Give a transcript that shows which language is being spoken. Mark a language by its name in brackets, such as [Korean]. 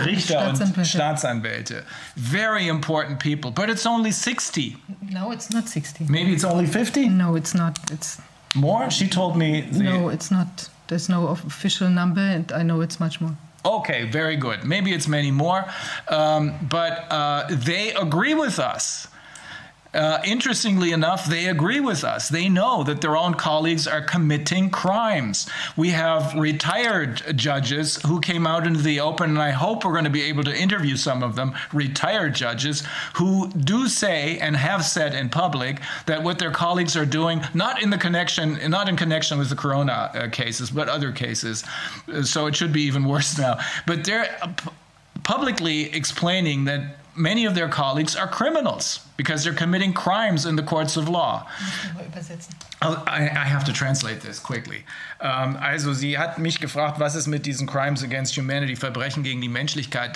[German] Netzwerk kritischer Richter und Staatsanwälte. [English] Very important people, but it's only 60. No, it's not 60. Maybe it's only 50? No, it's not. It's more? She told me. No, it's not. There's no official number, and I know it's much more. Okay, very good. Maybe it's many more. They agree with us. Interestingly enough, they agree with us. They know that their own colleagues are committing crimes. We have retired judges who came out into the open, and I hope we're going to be able to interview some of them, retired judges, who do say and have said in public that what their colleagues are doing, not in connection with the corona cases, but other cases, so it should be even worse now, but they're publicly explaining that many of their colleagues are criminals because they're committing crimes in the courts of law. I have to translate this quickly. [German] Also, sie hat mich gefragt, was ist mit diesen Crimes against Humanity, Verbrechen gegen die Menschlichkeit?